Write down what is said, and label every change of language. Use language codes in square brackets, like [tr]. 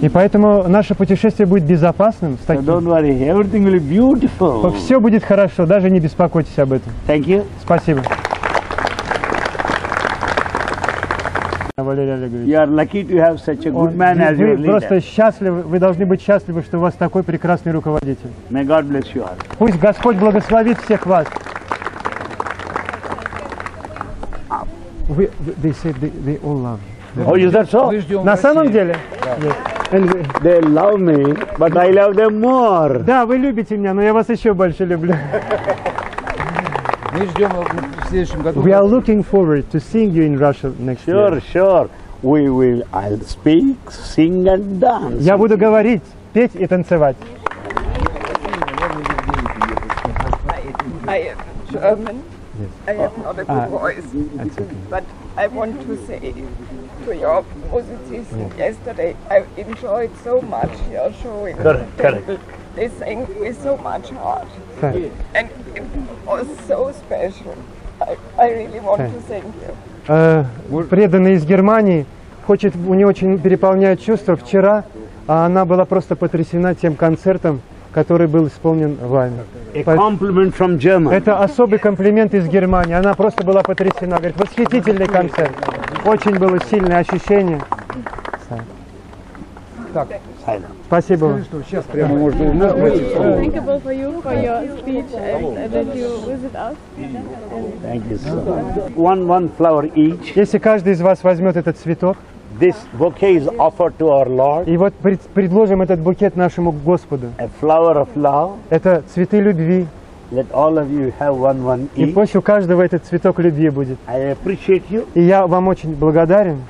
[ru] И поэтому наше путешествие будет безопасным. [en] So don't worry, everything will be beautiful. [ru] Все будет хорошо, даже не беспокойтесь об этом. [en] Thank you. [ru] Спасибо. [en] You are lucky to have such a good man as your leader. [ru] Просто счастливы, вы должны быть счастливы, что у вас такой прекрасный руководитель. [en] May God bless you all. [ru] Пусть Господь благословит всех вас. [en] They said they all love you. Oh, is that so? [ru] На самом деле? [en] And they love me, but I love them more. [ru] Да, вы любите меня, но я вас еще больше люблю. Мы ждем в следующем году. [en] We are looking forward to seeing you in Russia next sure, year. Sure. We will I'll speak, sing and dance. Я буду говорить, петь и танцевать. I am German. Yes. I have not a good voice. Okay. But I want to say to your musicians yesterday, I enjoyed so much your showing. Correct. They sang with so much heart. And it was so special. I really want to thank you. [ru] Преданный из Германии хочет, у нее очень переполняет чувство. Вчера она была просто потрясена тем концертом, который был исполнен вами. [en] A compliment from Germany. [ru] Это особый комплимент из Германии. Она просто была потрясена. Говорит, восхитительный концерт. Очень было сильное ощущение. Так. Спасибо. Сейчас прямо можно узнать. [en] Thank you for your speech and that you visit us. Thank you so much. One flower each. [ru] Если каждый из вас возьмет этот цветок. [en] This bouquet is offered to our Lord. [ru] И вот предложим этот букет нашему Господу. [en] A flower of love. [ru] Это цветы любви. [en] Let all of you have one each. [ru] И пусть у каждого этот цветок любви будет. [en] I appreciate you. [ru] И я вам очень благодарен